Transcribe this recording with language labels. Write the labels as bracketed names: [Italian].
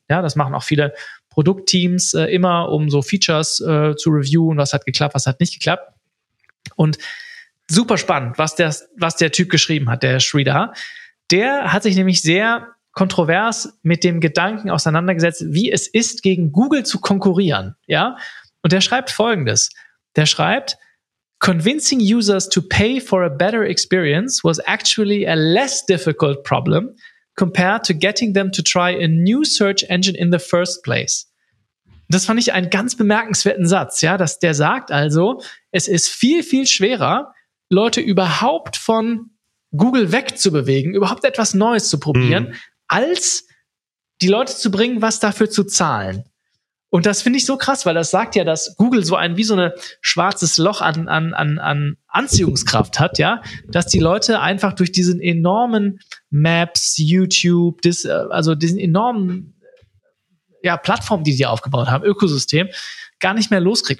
[German] Ja, das machen auch viele Produktteams immer, um so Features zu reviewen, was hat geklappt, was hat nicht geklappt. Und super spannend, was der Typ geschrieben hat, der Sridhar. Der hat sich nämlich sehr kontrovers mit dem Gedanken auseinandergesetzt, wie es ist, gegen Google zu konkurrieren. Ja, und der schreibt Folgendes. Der schreibt, [English] convincing users to pay for a better experience was actually a less difficult problem compared to getting them to try a new search engine in the first place. [German] Das fand ich einen ganz bemerkenswerten Satz, ja, dass der sagt also, es ist viel, viel schwerer, Leute überhaupt von Google wegzubewegen, überhaupt etwas Neues zu probieren, als die Leute zu bringen, was dafür zu zahlen. Und das finde ich so krass, weil das sagt ja, dass Google so ein wie so ein schwarzes Loch an Anziehungskraft hat, ja, dass die Leute einfach durch diesen enormen Maps, YouTube, diesen enormen Plattform, die sie aufgebaut haben, Ökosystem, gar nicht mehr loskriegt.